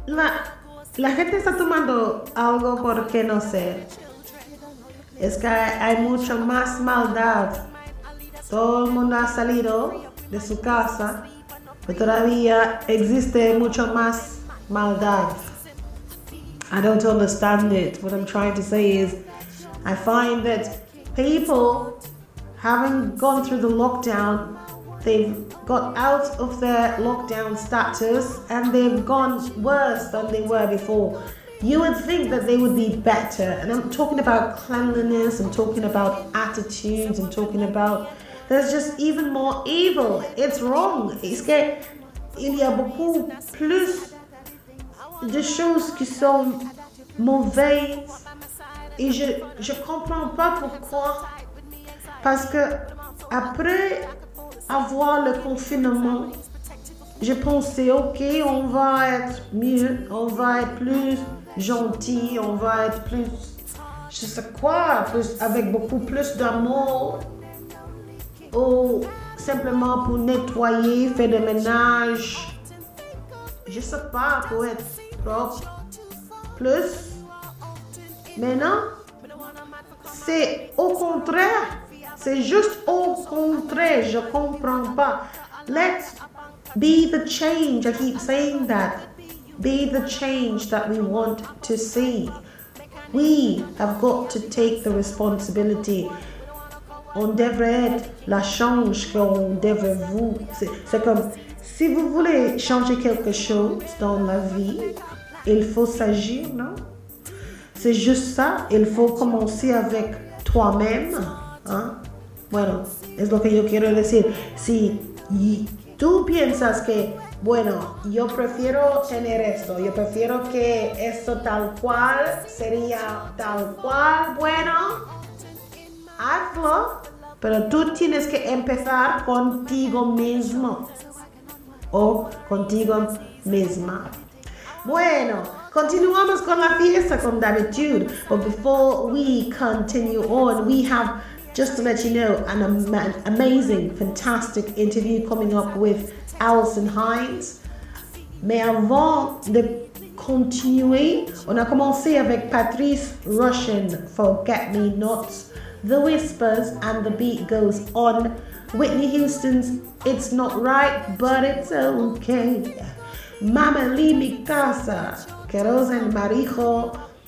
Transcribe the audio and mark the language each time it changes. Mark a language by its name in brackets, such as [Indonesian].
[Spanish] La gente está tomando algo porque no sé. Es que hay mucho más maldad. Todo el mundo ha salido de su casa, pero todavía existe mucho más maldad. [English] I don't understand it. What I'm trying to say is, I find that people, having gone through the lockdown, they've got out of their lockdown status and they've gone worse than they were before. You would think that they would be better. And I'm talking about cleanliness, I'm talking about attitudes, I'm talking about, there's just even more evil. It's wrong. [Spanish] Es que [French] il y a beaucoup plus de choses qui sont mauvaises. Et je comprends pas pourquoi. Parce que après avoir le confinement, je pensais, ok, on va être mieux, on va être plus gentil, on va être plus, je sais quoi, plus, avec beaucoup plus d'amour, ou simplement pour nettoyer, faire le ménage, je sais pas, pour être propre, plus. Mais non, c'est au contraire. C'est juste au contraire, je comprends pas. [English] Let's be the change, I keep saying that. Be the change that we want to see. We have got to take the responsibility. [French] On devrait être la change qu'on devrait vous. C'est comme, si vous voulez changer quelque chose dans la vie, il faut s'agir, non? C'est juste ça, il faut commencer avec toi-même, hein? [Spanish] Bueno, es lo que yo quiero decir. Si tú piensas que, bueno, yo prefiero tener esto, yo prefiero que esto tal cual sería tal cual, bueno, hazlo. Pero tú tienes que empezar contigo mismo o contigo misma. Bueno, continuamos con la fiesta con Davitude. [English] But before we continue on, we have, just to let you know, an amazing, fantastic interview coming up with Alison Hinds. [French] Mais avant de continuer, on a commencé avec Patrice Russian, Forget Me Nots, The Whispers, and The Beat Goes On, Whitney Houston's It's Not Right, But It's Okay, Mama Lee Mi Casa, Queros and Marijo,